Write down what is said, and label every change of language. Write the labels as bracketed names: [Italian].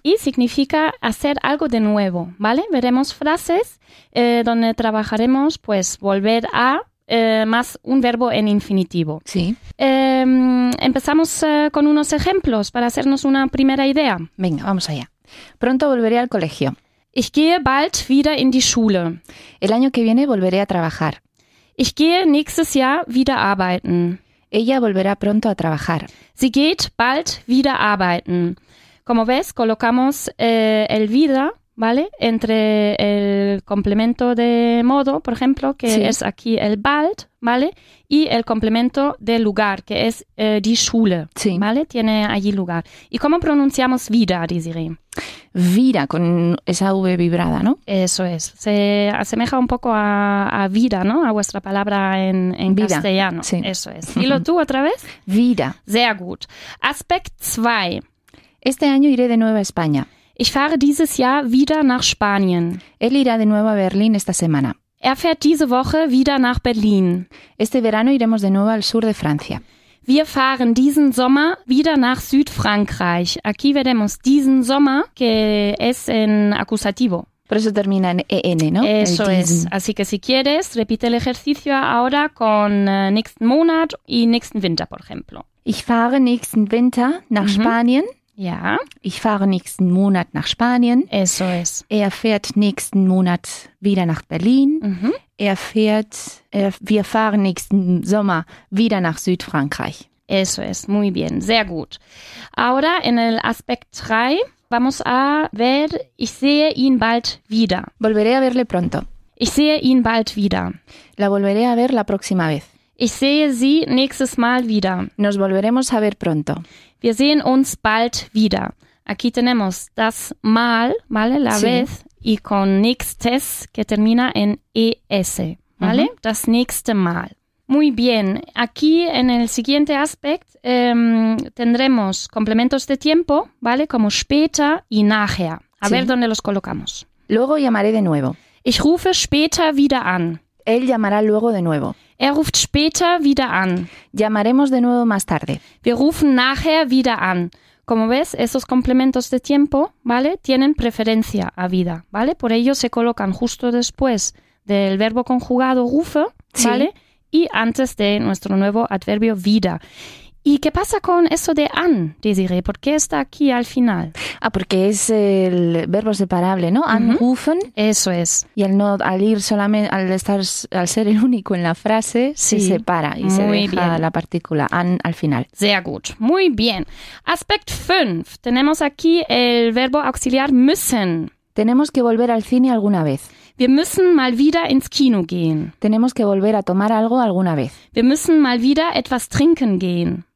[Spanish] Y significa hacer algo de nuevo, ¿vale? Veremos frases donde trabajaremos, pues, volver a... más un verbo en infinitivo. Sí. Empezamos con unos ejemplos para hacernos una primera idea. Venga, vamos allá. Pronto volveré al colegio. [German] Ich gehe bald wieder in die Schule. [Spanish] El año que viene volveré a trabajar. [German] Ich gehe nächstes Jahr wieder arbeiten. [Spanish] Ella volverá pronto a trabajar. [German] Sie geht bald wieder arbeiten. [Spanish] Como ves, colocamos el wieder, ¿vale? Entre el complemento de modo, por ejemplo, que sí. Es aquí el bald, ¿vale? Y el complemento de lugar, que es die Schule, sí. ¿Vale? Tiene allí lugar. ¿Y cómo pronunciamos wieder, Desiree? Wieder, con esa V vibrada, ¿no? Eso es. Se asemeja un poco a vida, ¿no? A vuestra palabra en vida. Castellano. Sí. Eso es. Dilo tú otra vez. [German] Wieder. Sehr gut. Aspekt 2. [Spanish] Este año iré de nuevo a España. [German] Ich fahre dieses Jahr wieder nach Spanien. [Spanish] Él irá de nuevo a Berlín esta semana. [German] Er fährt diese Woche wieder nach Berlin. [Spanish] Este verano iremos de nuevo al sur de Francia. [German] Wir fahren diesen Sommer wieder nach Südfrankreich. [Spanish] Aquí veremos diesen Sommer, que es en acusativo. Por eso termina en EN, ¿no? Eso es. Así que si quieres, repite el ejercicio ahora con nächsten Monat y nächsten Winter, por ejemplo. [German] Ich fahre nächsten Winter nach Spanien. Ja. Ich fahre nächsten Monat nach Spanien. [Spanish] Eso es. [German] Er fährt nächsten Monat wieder nach Berlin. Mhm. Wir fahren nächsten Sommer wieder nach Südfrankreich. [Spanish] Eso es. Muy bien. [German] Sehr gut. [Spanish] Ahora, en el aspect 3, vamos a ver, [German] ich sehe ihn bald wieder. [Spanish] Volveré a verle pronto. [German] Ich sehe ihn bald wieder. [Spanish] La volveré a ver la próxima vez. [German] Ich sehe sie nächstes Mal wieder. [Spanish] Nos volveremos a ver pronto. [German] Wir sehen uns bald wieder. [Spanish] Aquí tenemos das Mal, ¿vale? La sí. Vez y con nächstes, que termina en ES, ¿vale? Uh-huh. [German] Das nächste Mal. [Spanish] Muy bien. Aquí en el siguiente aspecto tendremos complementos de tiempo, ¿vale? Como später y nachher. A sí. Ver dónde los colocamos. Luego llamaré de nuevo. [German] Ich rufe später wieder an. [Spanish] Él llamará luego de nuevo. [German] Er ruft später wieder an. [Spanish] Llamaremos de nuevo más tarde. [German] Wir rufen nachher wieder an. [Spanish] Como ves, esos complementos de tiempo, ¿vale? Tienen preferencia a vida, ¿vale? Por ello se colocan justo después del verbo conjugado rufe, ¿vale? Sí. Y antes de nuestro nuevo adverbio wieder. ¿Y qué pasa con eso de an, Desiree? ¿Por qué está aquí al final? Ah, porque es el verbo separable, ¿no? Anrufen. Uh-huh. Eso es. Y al ser el único en la frase, sí. Se separa y muy se deja bien. La partícula an al final. [German] Sehr gut. [Spanish] Muy bien. Aspect 5. Tenemos aquí el verbo auxiliar müssen. Tenemos que volver al cine alguna vez. [German] Wir müssen mal wieder ins Kino gehen. [Spanish] Tenemos que volver a tomar algo alguna vez. [German] Wir müssen mal wieder etwas trinken gehen.